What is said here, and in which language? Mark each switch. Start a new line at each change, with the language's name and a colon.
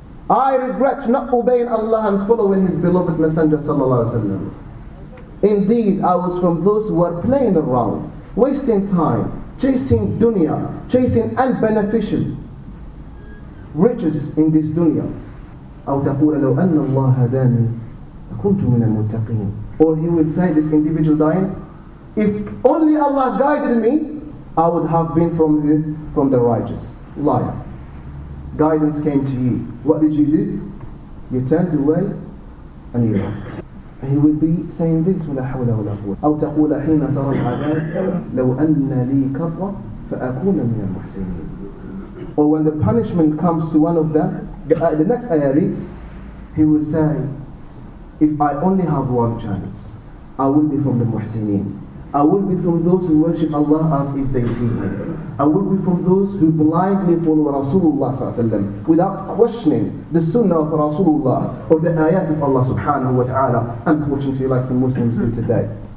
English: I regret not obeying Allah and following His beloved Messenger sallallahu alaihi wasallam. Indeed, I was from those who were playing around, wasting time, chasing dunya, chasing unbeneficial riches in this dunya.
Arabic: أو تقول لو أن الله هداني لكنت من المتقين.
English: Or he will say, this individual dying, if only Allah guided me, I would have been from the righteous. Liar. Guidance came to you. What did you do? You turned away and you left. He will be saying this.
Arabic: أو تقول حين ترى العذاب لو أن لي كرة فأكون من المحسنين.
English: Or when the punishment comes to one of them, the next ayah reads, he will say, if I only have one chance, I will be from the muhsinin. I will be from those who worship Allah as if they see Him. I will be from those who blindly follow Rasulullah without questioning the sunnah of Rasulullah or the ayat of Allah subhanahu wa ta'ala, unfortunately like some Muslims do today.